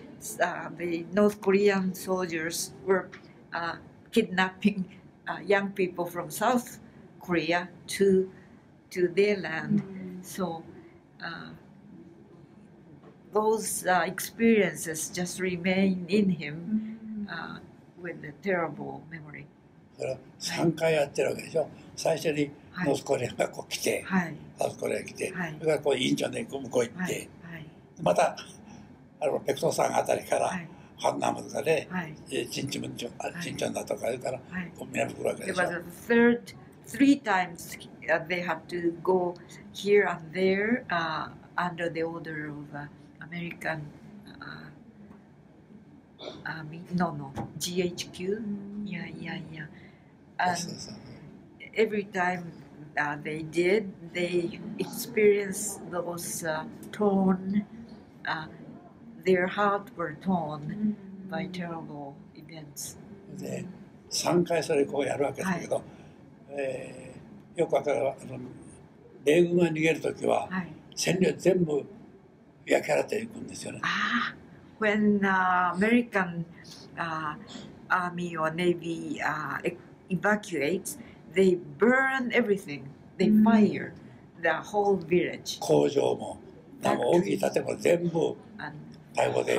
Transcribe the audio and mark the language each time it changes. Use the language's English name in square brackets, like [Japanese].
[English] the North Korean soldiers were kidnapping young people from South Korea to their land. Mm-hmm. So those experiences just remain in him with a terrible memory. [Japanese] それは3回やってるわけでしょ。最初にノースコリアがこう来て、はい、ノースコリアが来て、はい、それからこうインチョンで向こう行って、はいはい、またあれペクトンさんあたりから、はい、ハンナムとかで、はい、チンチムチョン、はい、チンチョンだとか言うから、はい、こう南に来るわけでしょ。 [English] It was the third, three times they had to go here and there under the order of American, GHQ. And every time they did, they experienced those torn, their hearts were torn by terrible events. [Japanese] で、3回それこうやるわけですけど、はい、よくわかる、あの米軍が逃げるときは、占領全部焼き払っていくんですよね。 [English] Ah, when American, army or navy evacuates, they burn everything. They fire the whole village. [Japanese] 工場も、大きい建物全部大火で。